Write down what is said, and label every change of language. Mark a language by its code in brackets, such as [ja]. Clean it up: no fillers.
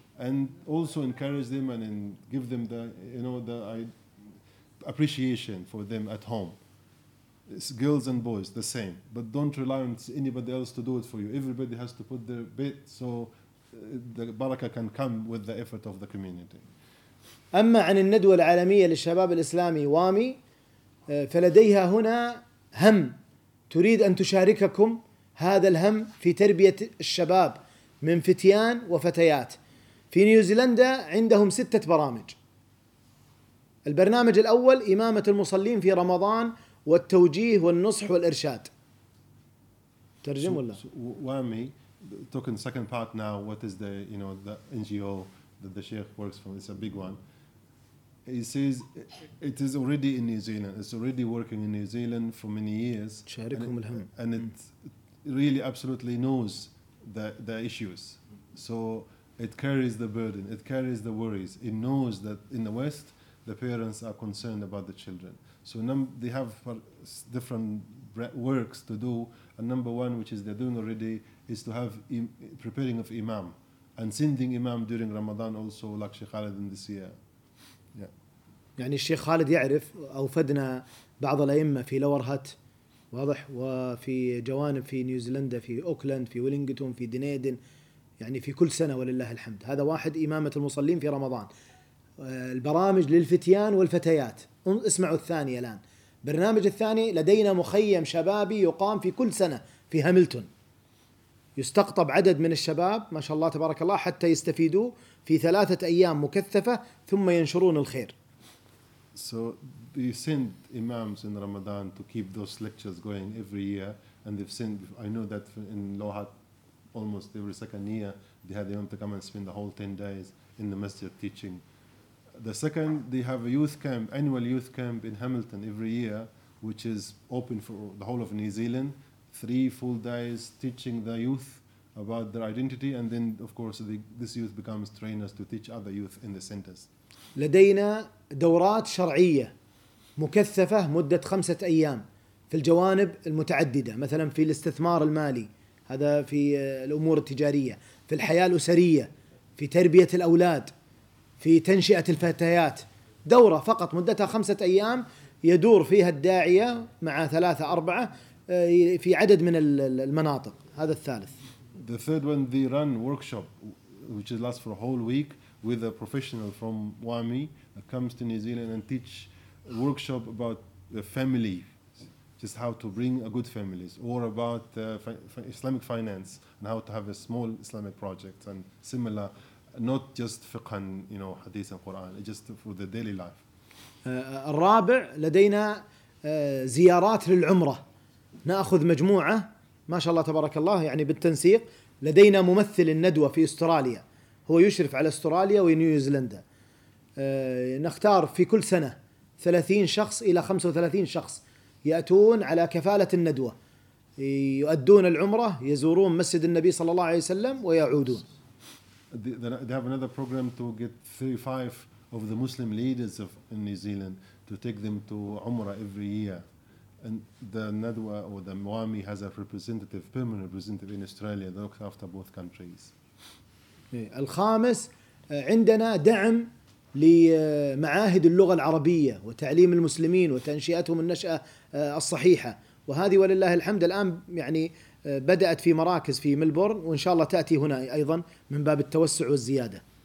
[en] And also encourage them and give them the appreciation for them at home. It's girls and boys, the same. But don't rely on anybody else to do it for you. Everybody has to put their bit so the barakah can come with the effort of the community. [ar] أما عن الندوة العالمية للشباب الإسلامي وامي فلديها هنا هم تريد أن تشارككم هذا الهم في تربية الشباب من فتيان وفتيات في نيوزيلندا عندهم 6 برامج البرنامج الأول إمامة المصلين في رمضان والتوجيه والنصح والإرشاد ترجم ولا؟ [en] وامي talking second part now what is the you know the NGO that the sheikh works from it's a big one. He says it is already in New Zealand. It's already working in New Zealand for many years. And it really absolutely knows the issues. So it carries the burden. It carries the worries. It knows that in the West, the parents are concerned about the children. So they have different works to do. And number one, which is they're doing already, is to have preparing of imam and sending imam during Ramadan also, like Sheikh Khaled in this year. [ar] يعني الشيخ خالد يعرف أوفدنا بعض الأئمة في لورهت واضح وفي جوانب في نيوزيلندا في أوكلاند في ويلينغتون في دنيدن يعني في كل سنة ولله الحمد هذا واحد إمامة المصلين في رمضان البرامج للفتيان والفتيات اسمعوا الثاني الآن برنامج الثاني لدينا مخيم شبابي يقام في كل سنة في هاملتون يستقطب عدد من الشباب ما شاء الله تبارك الله حتى يستفيدوا في 3 أيام مكثفة ثم ينشرون الخير. [en] So they send imams in Ramadan to keep those lectures going every year, and they've sent. I know that in Lohat, almost every second year, they had the imam to come and spend the whole 10 days in the masjid teaching. The second, they have a youth camp, annual youth camp in Hamilton every year, which is open for the whole of New Zealand, 3 full days teaching the youth about their identity, and then of course this youth becomes trainers to teach other youth in the centers. [ar] لدينا دورات شرعية مكثفة مدة 5 أيام في الجوانب المتعددة مثلا في الاستثمار المالي هذا في الأمور التجارية في الحياة الأسرية في تربية الأولاد في تنشئة الفتيات دورة فقط مدتها 5 أيام يدور فيها الداعية مع 3-4 في عدد من المناطق هذا الثالث. [en] The third one, they run workshop which lasts for a whole week with a professional from WAMI that comes to New Zealand and teach a workshop about the family, just how to bring a good family, or about Islamic finance and how to have a small Islamic project and similar, not just fiqh and you know, hadith and Quran, just for the daily life. [ar] الرابع لدينا زيارات للعمرة. نأخذ مجموعة ما شاء الله تبارك الله يعني بالتنسيق لدينا ممثل الندوة في أستراليا هو يشرف على أستراليا ونيوزيلندا نختار في كل سنة 30 شخص إلى 35 شخص يأتون على كفالة الندوة يؤدون العمرة يزورون مسجد النبي صلى الله عليه وسلم ويعودون. [en] They have another program to get 35 of the Muslim leaders of in New Zealand to take them to Umrah every year. And the Nadwa or the Muami has a representative, permanent representative in Australia that looks after both countries. [ar] الخامس عندنا دعم لمعاهد اللغة العربية وتعليم المسلمين وتنشئتهم النشأة الصحيحة وهذه ولله الحمد الآن يعني بدأت في مراكز في ملبورن وإن شاء الله تأتي هنا أيضا من باب التوسع والزيادة.